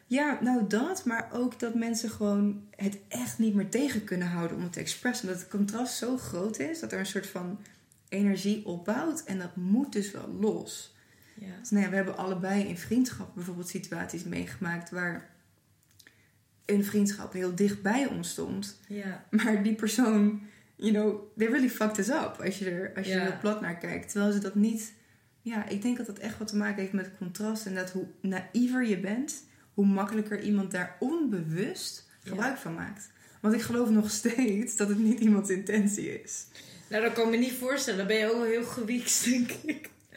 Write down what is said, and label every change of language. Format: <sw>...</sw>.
<nl>Ja, nou dat, maar ook dat mensen gewoon het echt niet meer tegen kunnen houden om het te expressen. Omdat het contrast zo groot is, dat er een soort van energie opbouwt en dat moet dus wel los. Ja. Dus nou ja, we hebben allebei in vriendschap bijvoorbeeld situaties meegemaakt waar een vriendschap heel dicht bij ons stond. Ja. Maar die persoon,</nl> <en>you know, they really fucked us up.</en> <nl>Als je er heel plat naar kijkt. Terwijl ze dat niet... Ja, ik denk dat dat echt wat te maken heeft met contrast. En dat hoe naïver je bent, hoe makkelijker iemand daar onbewust gebruik van maakt. Want ik geloof nog steeds dat het niet iemands intentie is. Nou, dat kan ik me niet voorstellen. Dan ben je ook wel heel gewiekst, denk ik.</nl>